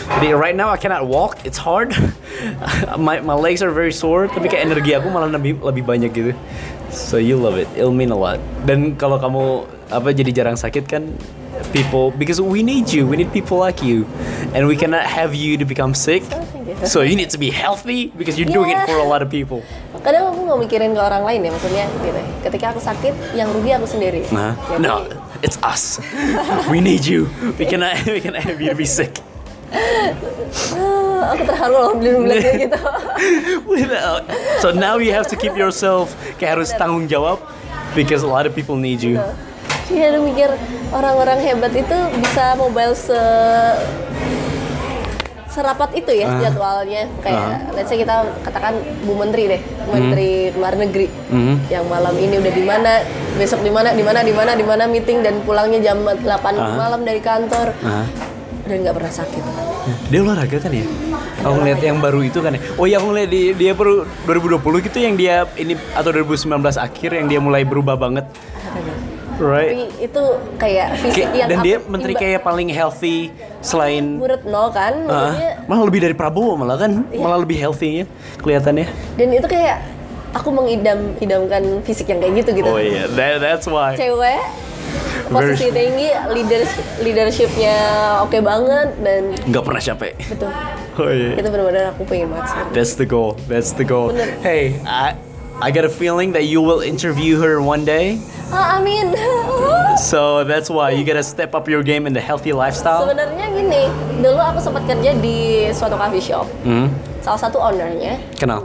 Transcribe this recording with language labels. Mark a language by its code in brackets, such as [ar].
[en] Jadi right now I cannot walk, it's hard. My legs are very sore, [id] tapi kayak energi aku malah lebih banyak gitu. [en] So you love it, it'll mean a lot. [id] Dan kalau kamu apa jadi jarang sakit kan, [en] people, because we need you, we need people like you. And we cannot have you to become sick. So you need to be healthy, because you're doing it for a lot of people. [id] Kadang aku gak mikirin ke orang lain ya, maksudnya gitu. Ketika aku sakit, yang rugi aku sendiri. [en] Nah, jadi, no, it's us. We need you. We cannot have you to be sick. [id] Aku terharu loh, bilang-bilangnya gitu. [en] Without. So now you have to keep yourself, [id] kayak harus tanggung jawab, [en] because a lot of people need you. [id] Iya, aku mikir orang-orang hebat itu bisa mobile serapat itu ya jadwalnya. Kayak [en] let's say [id] kita katakan Bu Menteri deh, Menteri Luar Negeri. Yang malam ini udah di mana, besok di mana meeting dan pulangnya jam 8 malam dari kantor. Dan enggak pernah sakit. Dia olahraga kan ya? Aku ngeliat yang baru itu kan ya. Oh iya, aku ngeliat dia baru 2020 gitu yang dia ini, atau 2019 akhir yang dia mulai berubah banget. [en] Right. [id] Tapi itu kayak fisik yang dan dia menteri kayak paling healthy selain Bu Retno kan, malah lebih dari Prabowo malah kan, malah lebih healthy-nya kelihatannya. Dan itu kayak aku mengidam-idamkan fisik yang kayak gitu. [en] Oh iya, that's why. [id] Cewek posisi tinggi, leadershipnya oke banget dan nggak pernah capek. Betul. Oh iya. Yeah. Itu benar-benar aku pengen banget. [en] That's the goal. [id] Bener. [en] Hey, I got a feeling that you will interview her one day. [id] Amin. [en] So that's why you gotta step up your game in the healthy lifestyle. [id] Sebenarnya gini, dulu aku sempat kerja di suatu coffee shop. Mm-hmm. Salah satu ownernya. Kenal.